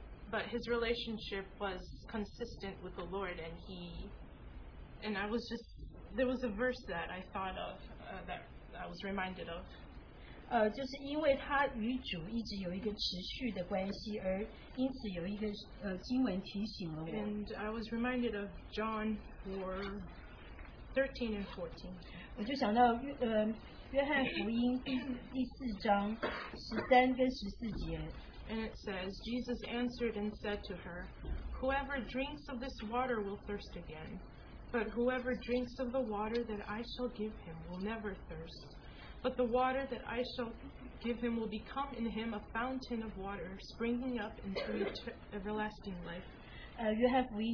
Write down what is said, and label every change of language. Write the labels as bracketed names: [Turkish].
[English] But his relationship was consistent with the Lord, and he, and I was just, there was a verse that I thought of, that I was reminded of. [Chinese] 就是因为他与主一直有一个持续的关系，而因此有一个经文提醒了我。 [English] And I was reminded of John 4:13-14. [Chinese] 我就想到约翰福音第四章13跟14节。 [English] And it says, Jesus answered and said to her, Whoever drinks of this water will thirst again. But whoever drinks of the water that I shall give him will never thirst. But the water that I shall give him will become in him a fountain of water, springing up into everlasting life.